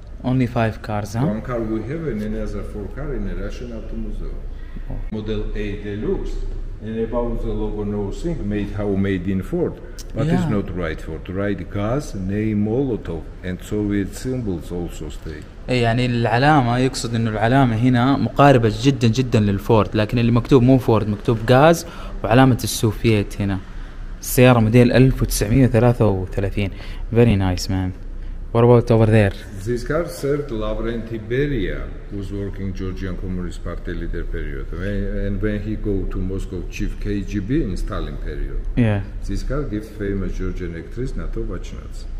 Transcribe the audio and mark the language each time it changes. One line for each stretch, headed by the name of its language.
English: Only 5 cars, huh? One car we have and another 4 car in a Russian auto museum. Oh. Model A Deluxe. And about the logo, no thing, made how made in Ford. But yeah. It's not right Ford. Right Gaz, name Molotov, and Soviet symbols also stay.
Arabic: أي يعني العلامة يقصد إنه العلامة هنا مقاربة جدا جدا للفورد لكن اللي مكتوب مو فورد مكتوب غاز وعلامة السوفييت هنا السيارة موديل 1933
English: very nice man. What about over there? This car served Lavrenti Beria who's working Georgian Communist Party leader period and when he go to Moscow chief KGB in Stalin period. Yeah. This car gives famous Georgian actress Nato Vachnadze.